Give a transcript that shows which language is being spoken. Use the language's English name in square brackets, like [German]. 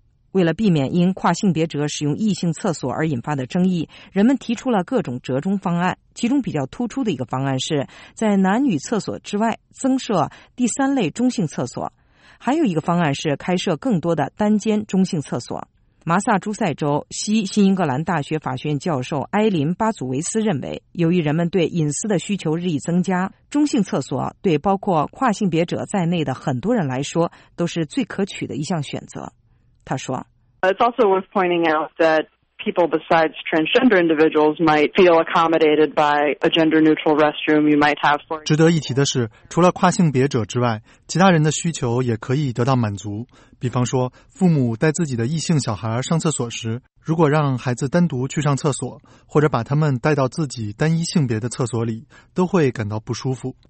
[Chinese] 为了避免因跨性别者使用异性厕所而引发的争议，人们提出了各种折中方案，其中比较突出的一个方案是在男女厕所之外增设第三类中性厕所，还有一个方案是开设更多的单间中性厕所。马萨诸塞州西新英格兰大学法学院教授埃琳·巴祖维斯认为，由于人们对隐私的需求日益增加，中性厕所对包括跨性别者在内的很多人来说都是最可取的一项选择。他说 [English] It's also worth pointing out that people besides transgender individuals might feel accommodated by a gender-neutral restroom you might have for [Chinese] 值得一提的是，除了跨性别者之外，其他人的需求也可以得到满足。比方说，父母带自己的异性小孩上厕所时，如果让孩子单独去上厕所，或者把他们带到自己单一性别的厕所里，都会感到不舒服。